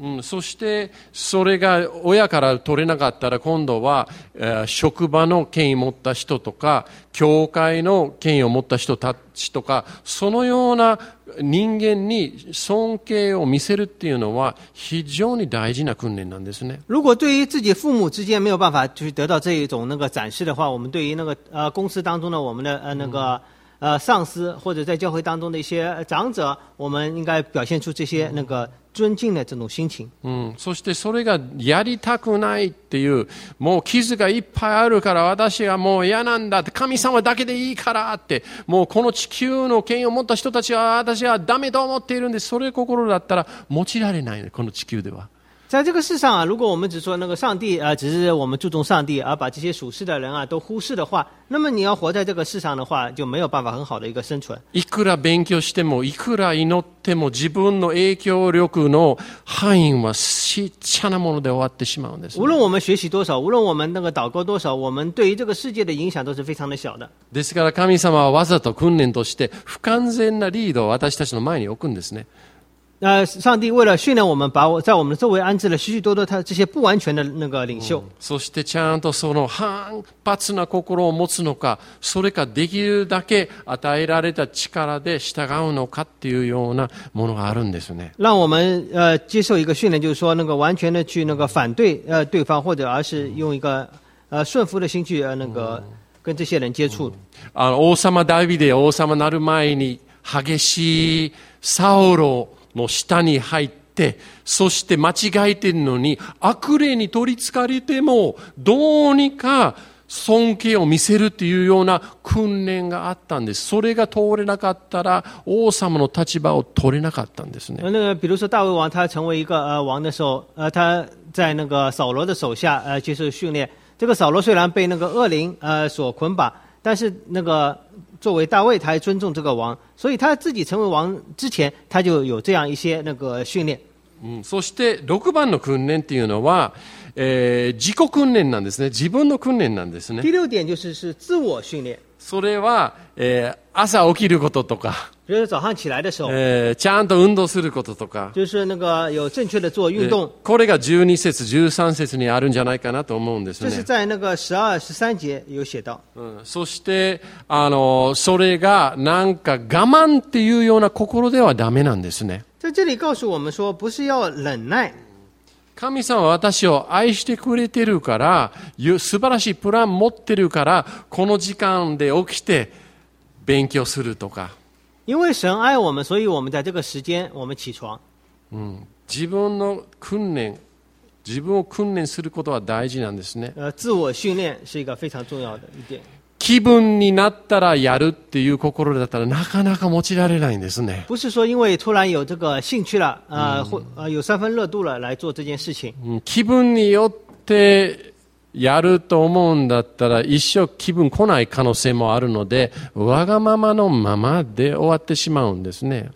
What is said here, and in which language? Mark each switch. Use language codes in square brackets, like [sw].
[ja] そしてそれが親から取れなかったら、今度は職場の権威を持った人とか教会の権威を持った人たちとか、そのような人間に尊敬を見せるっていうのは非常に大事な訓練なんですね。 [zh] 如果对于自己父母之间没有办法去得到这一种那个展示的话，我们对于那个公司当中的我们的那个上司，或者在教会当中的一些长者，我们应该表现出这些那个尊敬的这种心情。 [ja] そしてそれがやりたくないっていう、もう傷がいっぱいあるから私はもう嫌なんだって、神様だけでいいからって、もうこの地球の権威を持った人たちは私はダメと思っているんで、それ心だったら持ちられないね、この地球では。 [zh] 在这个世上啊，如果我们只说那个上帝啊，只是我们注重上帝，而把这些属世的人啊都忽视的话，那么你要活在这个世上的话，就没有办法很好的一个生存。 [ja] いくら勉強しても、いくら祈っても、自分の影響力の範囲は小さなもので終わってしまうんです。 [zh] 无论我们学习多少，无论我们那个祷告多少，我们对于这个世界的影响都是非常的小的。 [ja] ですから神様はわざと訓練として不完全なリードを私たちの前に置くんですね。 [zh] 上帝为了训练我们，把我在我们的周围安置了许许多多他这些不完全的那个领袖。 [ja] そしてちゃんとその反発な心を持つのか、それかできるだけ与えられた力で従うのかっていうようなものがあるんですね。 [zh] 让我们接受一个训练，就是说那个完全的去那个反对对方，或者而是用一个顺服的心去那个跟这些人接触。 [ja] 王様ダビデ、王様なる前に激しいサウロの下に入って、そして間違えてるのに悪霊に取り憑かれてもどうにか尊敬を見せるっていうような訓練があったんです。それが通れなかったら王様の立場を取れなかったんですね。 [zh] 那个比如说大卫王，他成为一个王的时候，他在那个扫罗的手下接受训练。这个扫罗虽然被那个恶灵所捆绑，但是那个作为大卫，他还尊重这个王，所以他自己成为王之前，他就有这样一些那个训练。 [ja] そして6番の訓練っていうのは、自己訓練なんですね。自分の訓練なんですね。 [zh] 第六点就是自我训练。 [ja] それは、朝起きることとか、 [zh] 就是早上起来的时候， [ja] ちゃんと運動することとか， [zh] 就是那个有正确的做运动。 [ja] これが12節13節にあるんじゃないかなと思うんですね。 [zh] 就是在那个12、13节有写到。 [ja] そしてそれがなんか我慢っていうような心ではダメなんですね。 [zh] 在这里告诉我们说，不是要忍耐。 [ja] 神様は私を愛してくれてるから、素晴らしいプラン持ってるから、この時間で起きて勉強するとか。 [zh] 因为神爱我们，所以我们在这个时间我们起床。 [ja] 自分の訓練、自分を訓練することは大事なんですね。 [zh] 自我训练是一个非常重要的一点。 [ja] 気分になったらやるっていう心だったらなかなか持ちられないんですね。 [zh] 不是说因为突然有这个兴趣了，有三分热度了来做这件事情。 [ja] 気分によってやると思うんだったら一生気分来ない可能性もあるので、わがままのままで終わってしまうんですね。